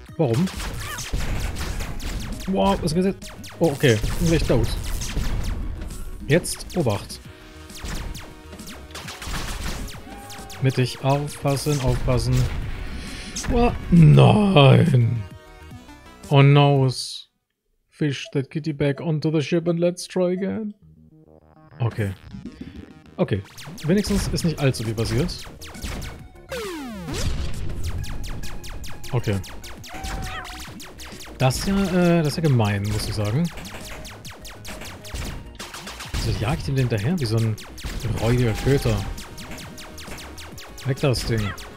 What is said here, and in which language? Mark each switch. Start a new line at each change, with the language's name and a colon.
German: Warum? Boah, was ist jetzt? Oh, okay. Bin gleich tot. Jetzt Obacht. Mittig aufpassen, aufpassen. Boah, nein.
English: Oh, no. Fish that kitty back onto the ship and let's try again.
German: Okay. Okay. Wenigstens ist nicht allzu viel passiert. Okay. Das ist ja gemein, muss ich sagen. Also jag ich den hinterher wie so ein räudiger Köter. Weg das Ding.